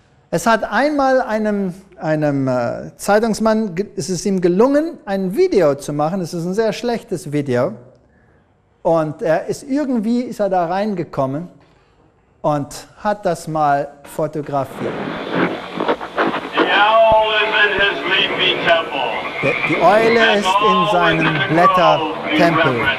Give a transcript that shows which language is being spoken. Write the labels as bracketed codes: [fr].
[de] Es hat einmal einem Zeitungsmann, es ist ihm gelungen, ein Video zu machen. Es ist ein sehr schlechtes Video. Und irgendwie ist er da reingekommen und hat das mal fotografiert. [en] The owl is in his leafy temple. [de] Die Eule ist in seinem Blättertempel.